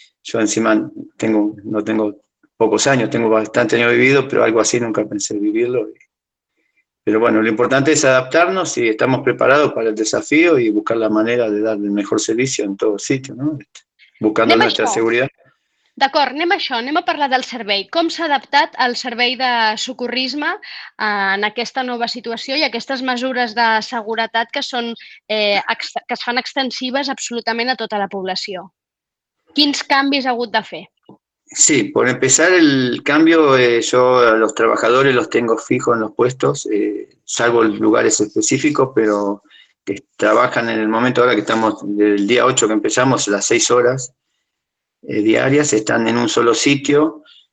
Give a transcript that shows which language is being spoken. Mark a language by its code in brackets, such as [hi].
[es] Yo encima no tengo pocos años, tengo bastante años vivido, pero algo así nunca pensé vivirlo. Pero bueno, lo importante es adaptarnos y estamos preparados para el desafío y buscar la manera de dar el mejor servicio en todo sitio, ¿no? Buscando nuestra seguridad. [ca] D'acord, anem a això, anem a parlar del servei. Com s'ha adaptat el servei de socorrisme en aquesta nova situació i aquestes mesures de seguretat que es fan extensives absolutament a tota la població? Quins canvis ha hagut de fer? [es] Sí, por empezar el cambio, yo a los trabajadores los tengo fijos en los puestos, salvo lugares específicos, pero que trabajan en el momento ahora que estamos, del día 8 que empezamos, las 6 horas diarias, están en un solo sitio,